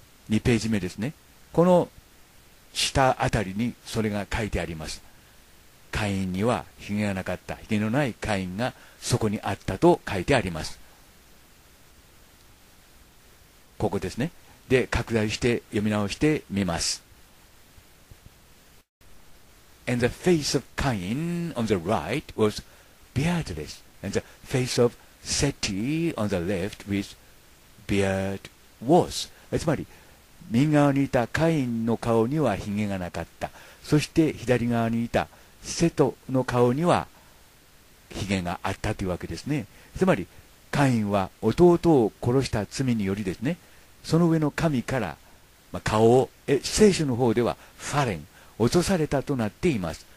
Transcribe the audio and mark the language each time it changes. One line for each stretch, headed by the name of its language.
Japanese: 2ページ目ですね、この下あたりにそれが書いてあります。カインにはヒゲがなかった、ヒゲのないカインがそこにあったと書いてあります。ここですね。で、拡大して読み直してみます。
English: And the face of Cain on the right was beardless, and the face of Seti on the left with beard was。
Japanese: つまり右側にいたカインの顔にはヒゲがなかった、そして左側にいたセトの顔にはヒゲがあったというわけですね。つまりカインは弟を殺した罪によりですね、その上の神から、まあ、聖書の方ではファレン、落とされたとなっています。